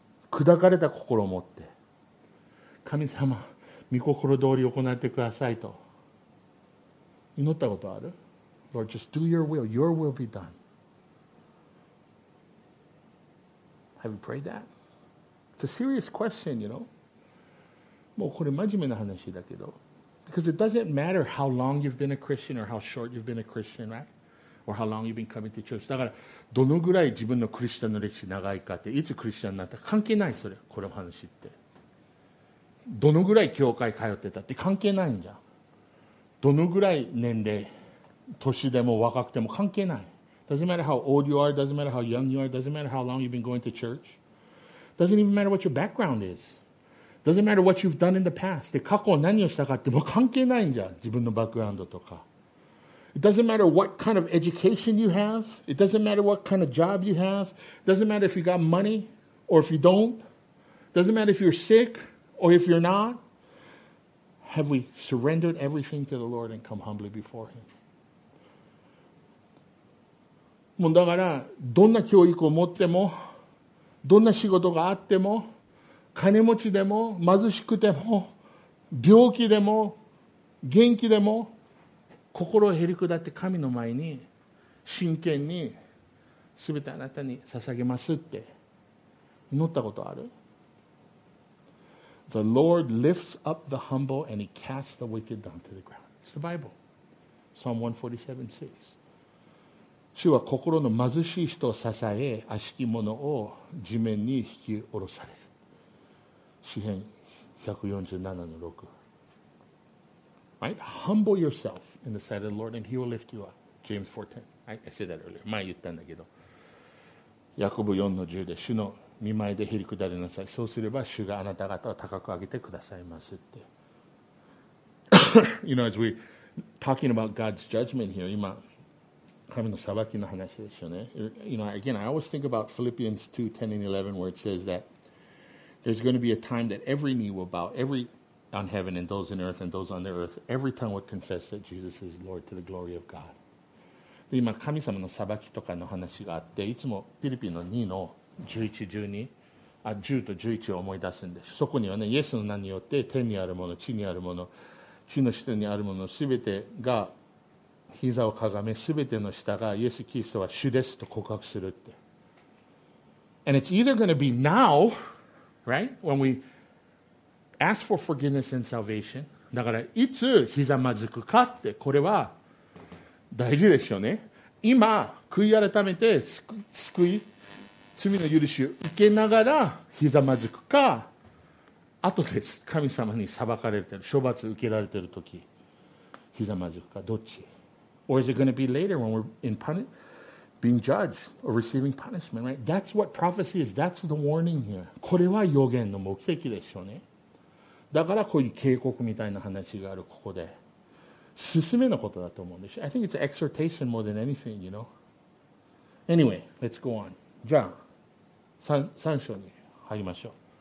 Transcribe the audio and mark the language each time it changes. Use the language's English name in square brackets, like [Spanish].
[Japanese] 砕かれた心を持って、神様、御心通り行ってくださいと祈ったことある。 [English] Lord, just do your will. Your will be done. Have you prayed that? It's a serious question, you know. [Japanese] もうこれ真面目な話だけど。 [English] Because it doesn't matter how long you've been a Christian or how short you've been a Christian, right? Or how long you've been coming to church. [Japanese] だから、どのぐらい自分のクリスチャンの歴史長いかって、いつクリスチャンになったか関係ない、それ、この話って。どのぐらい教会通ってたって関係ないんじゃん。どのぐらい年齢、年でも若くても関係ない。 [English] Doesn't matter how old you are, doesn't matter how young you are, doesn't matter how long you've been going to church. Doesn't even matter what your background is. Doesn't matter what you've done in the past. [Japanese] で、過去は何をしたかってもう関係ないんじゃん。自分のバックグラウンドとか。 [English] It doesn't matter what kind of education you have. It doesn't matter what kind of job you have. Doesn't matter if you got money or if you don't. Doesn't matter if you're sick or if you're not. Have we surrendered everything to the Lord and come humbly before Him? [Japanese] もうだから、どんな教育を持っても、どんな仕事があっても、金持ちでも、貧しくても、病気でも、元気でも、心をへりくだって神の前に、真剣に、すべてあなたに捧げますって、祈ったことある [English] ?The Lord lifts up the humble and he casts the wicked down to the ground. It's the Bible. Psalm 147:6. [Japanese] 主は心の貧しい人を支え、悪しき者を地面に引き下ろされる。詩篇147:6。 [English] Right? Humble yourself in the sight of the Lord and he will lift you up. James 4:10. Right? I said that earlier. [Japanese] 前言ったんだけど。ヤコブ 4:10 で、主の御前でへりくだりなさい。そうすれば主があなた方を高く上げてくださいますって。 [English] You know, as we're talking about God's judgment here, 今、 [Japanese] 神の裁きの話ですよね。 [English] You know, again, I always think about Philippians 2, 10 and 11, where it says that there's going to be a time that every knee will bow, every on heaven and those in earth and those on the earth, every tongue will confess that Jesus is Lord to the glory of God. [Japanese] で、今、神様の裁きとかの話があって、いつもフィリピンの2の11、12、10と11を思い出すんです。そこにはね、イエスの名によって天にあるもの、地にあるもの、地の下にあるもの、すべてが膝をかがめ、すべての下がイエス・キリストは主ですと告白するって。 [English] And it's either going to be now, right? When we ask for forgiveness and salvation. [Japanese] だから、いつひざまずくかって、これは大事でしょうね。今、悔い改めて救い、罪の許しを受けながらひざまずくか、あとで神様に裁かれてる、処罰受けられてるとき、ひざまずくか、どっち。 [English] Or is it going to be later when we're in being judged or receiving punishment, right? That's what prophecy is. That's the warning here. [Japanese] これは予言の目的でしょうね。だからこういう警告みたいな話がある、ここで。進めのことだと思うんでしょ。 [English] I think it's an exhortation more than anything, you know? Anyway, let's go on. [Japanese] じゃあ、三章に入りましょう。